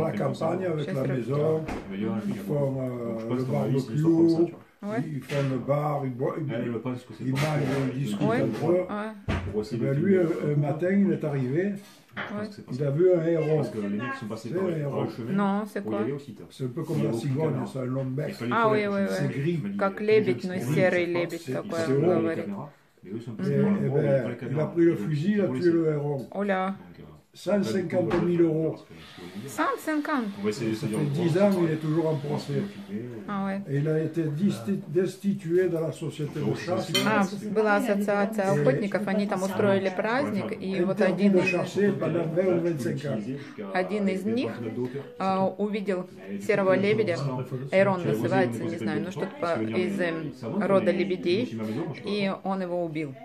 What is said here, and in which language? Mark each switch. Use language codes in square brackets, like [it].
[fr] la campagne, avec la maison, ils font le barbecue, ils font le bar, ils mangent, ils discutent entre eux. Et bien lui, un matin, il est arrivé, il a vu un héros. Parce que les mecs sont passés par le chemin. Non, c'est quoi? C'est un peu comme la cigogne, c'est un long bec. Ah oui, oui, oui. C'est gris. [ru] Как лебедь, но серый лебедь такой. [fr] C'est gros, les caméras. Et bien, il a pris le fusil, il a tué le héros. Oh là. 150 000 euros. 150? Ça fait 10 ans, il est toujours en procès. Ah ouais. Et il a été destitué de la société de chasse. [ru] Ah, была ассоциация охотников, они там устроили праздник, и вот один из них увидел серого лебедя, Эйрон называется, не знаю, ну что-то из рода лебедей, и он его убил.